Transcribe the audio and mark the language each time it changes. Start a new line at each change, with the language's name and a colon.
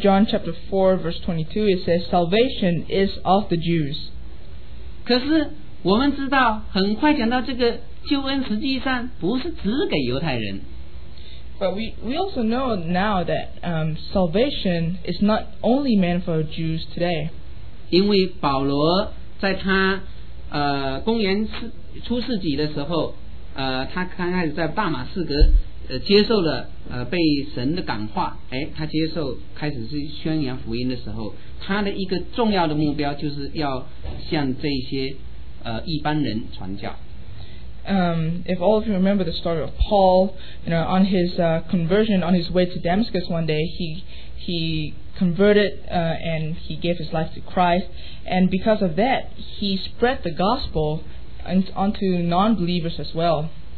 English: John chapter 4 verse 22, it says salvation is of the Jews.
Chinese: 可是我们知道，很快讲到这个救恩实际上不是只给犹太人。
English: But we also know now that salvation is not only meant for Jews today.
Chinese: 因为保罗在他 公元初世纪的时候，他刚开始在大马士革接受了被神的感化，他接受开始是宣扬福音的时候，他的一个重要的目标就是要向这些一般人传教。
English: If all of you remember the story of Paul, you know, on his conversion, on his way to Damascus one day, he converted and he gave his life to Christ, and because of that, he spread the gospel onto non-believers as well.